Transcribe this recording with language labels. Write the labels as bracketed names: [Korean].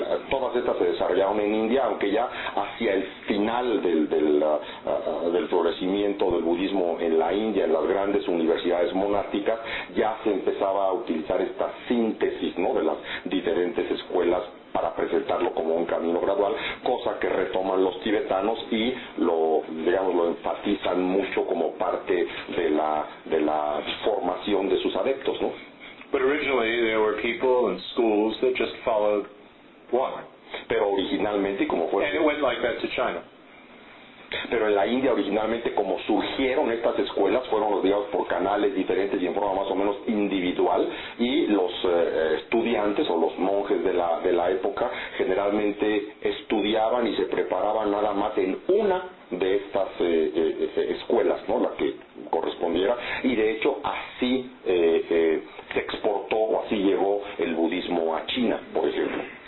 [Spanish] Todas estas se desarrollaron en India, aunque ya hacia el final del florecimiento del budismo en la India, en las grandes universidades monásticas, ya se empezaba a utilizar esta síntesis, ¿no?, de las diferentes escuelas para presentarlo como un camino gradual, cosa que retoman los tibetanos y lo enfatizan mucho como parte de la formación de sus adeptos, ¿no? [English] But originally there were people and schools that just followed one. [Spanish] Pero originalmente como fue. [English] And it went like that to China. [Spanish] Pero en la India originalmente como surgieron estas escuelas fueron rodeados por canales diferentes y en forma más o menos individual, y los estudiantes o los monjes de la época generalmente estudiaban y se preparaban nada más en una de estas escuelas, ¿no?, la que correspondiera, y de hecho así se exportó o así llegó el budismo a China, por ejemplo.